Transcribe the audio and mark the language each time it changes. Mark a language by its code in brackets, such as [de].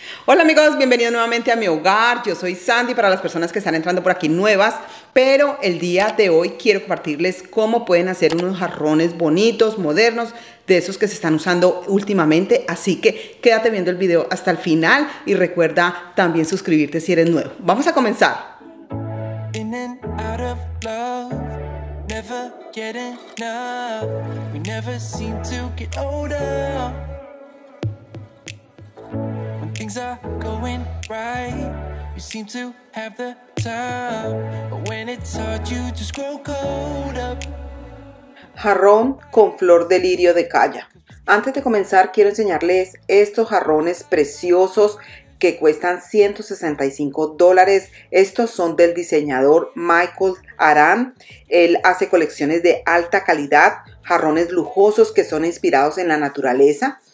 [es] Hola amigos, bienvenidos nuevamente a mi hogar. Yo soy Sandy, para las personas que están entrando por aquí nuevas, pero el día de hoy quiero compartirles cómo pueden hacer unos jarrones bonitos, modernos, de esos que se están usando últimamente. Así que quédate viendo el video hasta el final y recuerda también suscribirte si eres nuevo. ¡Vamos a comenzar! [en] In and out of love, never get enough, we never seem to get older. Things are going right, you seem to have the time, but when it's hard you just grow cold up. [es] Jarrón con flor de lirio de Kaya. Antes de comenzar quiero enseñarles estos jarrones preciosos que cuestan $165. Estos son del diseñador Michael Aran. Él hace colecciones de alta calidad, jarrones lujosos que son inspirados en la naturaleza.